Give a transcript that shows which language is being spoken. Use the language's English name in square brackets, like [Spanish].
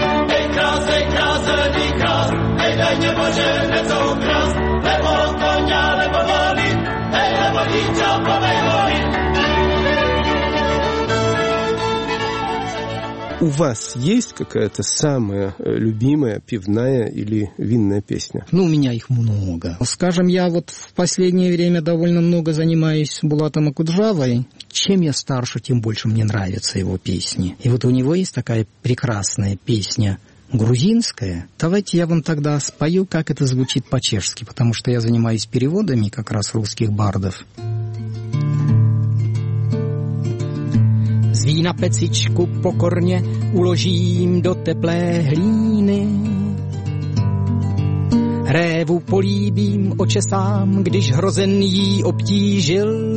[Rusyn] Ей крас, ей крас, зелений крас, ей дай не Боже, не то украс, лебо коня, лебо волі, ей лебо дітя, повей волі. [Russian] У вас есть какая-то самая любимая пивная или винная песня? Ну, у меня их много. Скажем, я вот в последнее время довольно много занимаюсь Булатом Акуджавой. Чем я старше, тем больше мне нравятся его песни. И вот у него есть такая прекрасная песня грузинская. Давайте я вам тогда спою, как это звучит по-чешски, потому что я занимаюсь переводами как раз русских бардов. [Czech] Zví na pecičku pokorně uložím do teplé hlíny. Révu políbím, očesám, když hrozen jí obtížil.